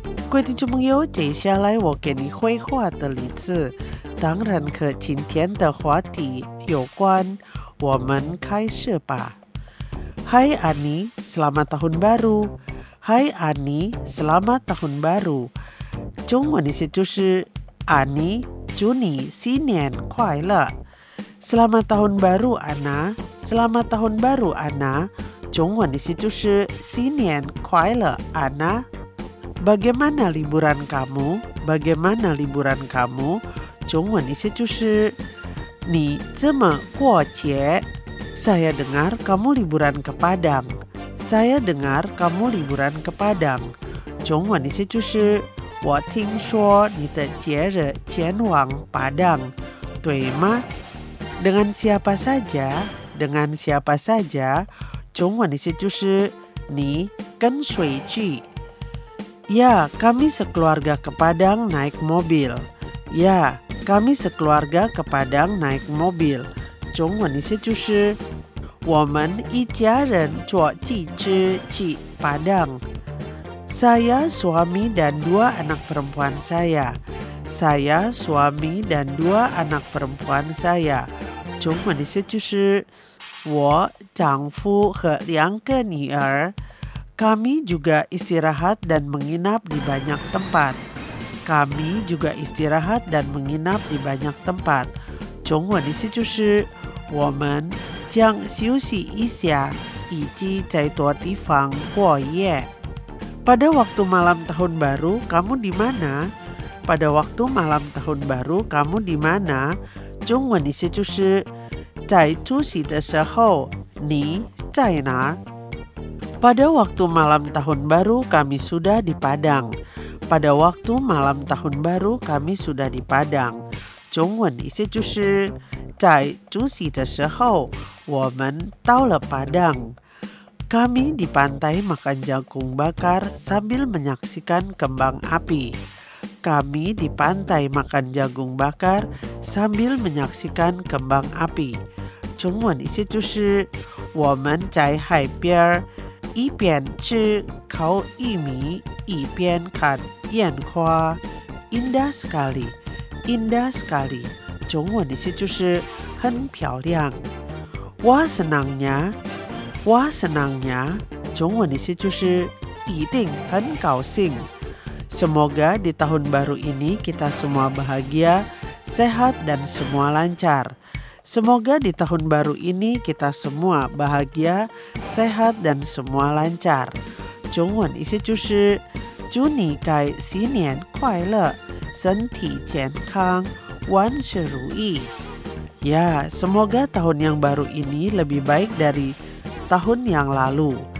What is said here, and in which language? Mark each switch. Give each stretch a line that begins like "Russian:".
Chinese: 各位听众朋友，接下来我给你绘画的例子当然和今天的话题有关，我们开始吧。
Indonesian: Hai Ani, selamat tahun baru. Hai Ani, selamat tahun baru.
Chinese: 中文的意思就是 Ani, 祝你新年快乐。
Indonesian: Selamat tahun baru, Anna. Selamat tahun baru, Anna.
Chinese: 中文的意思就是新年快乐， Anna.
Indonesian: Bagaimana liburan kamu? Bagaimana liburan kamu?
Chinese: 中文的意思就是你怎么过节？
Indonesian: Saya dengar kamu liburan ke Padang. Saya dengar kamu liburan ke Padang.
Chinese: 中文的意思就是我听说你的节日前往 Padang， 对吗？
Indonesian: Dengan siapa saja? Dengan siapa saja?
Chinese: 中文的意思就是你跟谁去？
Indonesian: Ya, kami sekeluarga ke Padang naik mobil. Ya, kami sekeluarga ke Padang naik mobil.
Chinese: 中文意思就是 我们一家人坐计之去 Padang.
Indonesian: Saya, suami dan dua anak perempuan saya. Saya, suami dan dua anak perempuan saya.
Chinese: 中文意思就是 我丈夫和两个女儿.
Indonesian: Kami juga istirahat dan menginap di banyak tempat. Kami juga istirahat dan menginap di banyak tempat.
Chinese: 中文意思就是 我们将休息一下，以及在多地方过夜。
Indonesian: Pada waktu malam tahun baru, kamu di mana? Pada waktu malam tahun baru, kamu di mana?
Chinese: 中文意思就是 在除夕的时候，你在哪？
Indonesian: Pada waktu malam tahun baru, kami sudah di Padang. Pada waktu malam tahun baru, kami sudah di Padang.
Chinese: 中文意思就是 在除夕的时候，我们到了Padang.
Indonesian: Kami di pantai makan jagung bakar sambil menyaksikan kembang api. Kami di pantai makan jagung bakar sambil menyaksikan kembang api.
Chinese: 中文意思就是 我们在海边一边吃烤玉米一边看烟花.
Indonesian: Indah sekali, indah sekali.
Chinese: 中文意思就是 很漂亮.
Indonesian: Wah senangnya.
Chinese: 中文意思就是 一定很高兴.
Indonesian: Semoga di tahun baru ini kita semua bahagia, sehat dan semua lancar. Semoga di tahun baru ini kita semua bahagia, sehat dan semua lancar.
Chinese: 中文意思就是 祝你该新年快乐, 身体健康, 万事如意.
Indonesian: Ya, semoga tahun yang baru ini lebih baik dari tahun yang lalu.